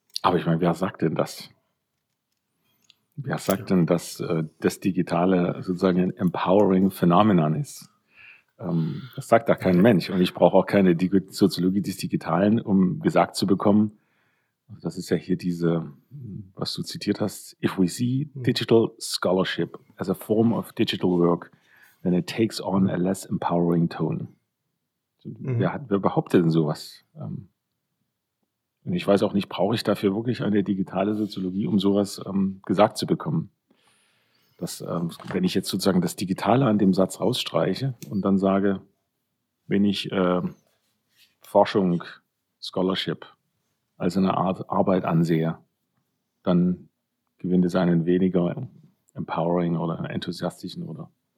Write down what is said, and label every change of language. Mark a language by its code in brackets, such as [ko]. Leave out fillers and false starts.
[de] Aber ich meine, wer sagt denn das? Wer sagt denn, dass das Digitale sozusagen ein empowering Phänomenon ist? Das sagt da kein Mensch. Und ich brauche auch keine Soziologie des Digitalen, um gesagt zu bekommen, das ist ja hier diese, was du zitiert hast, [en] if we see digital scholarship as a form of digital work, when it takes on a less empowering tone. Mhm. [de] Wer behauptet denn sowas? Und ich weiß auch nicht, brauche ich dafür wirklich eine digitale Soziologie, um sowas gesagt zu bekommen? Dass, wenn ich jetzt sozusagen das Digitale an dem Satz rausstreiche und dann sage, wenn ich Forschung, Scholarship als eine Art Arbeit ansehe, dann gewinnt es einen weniger empowering oder enthusiastischen oder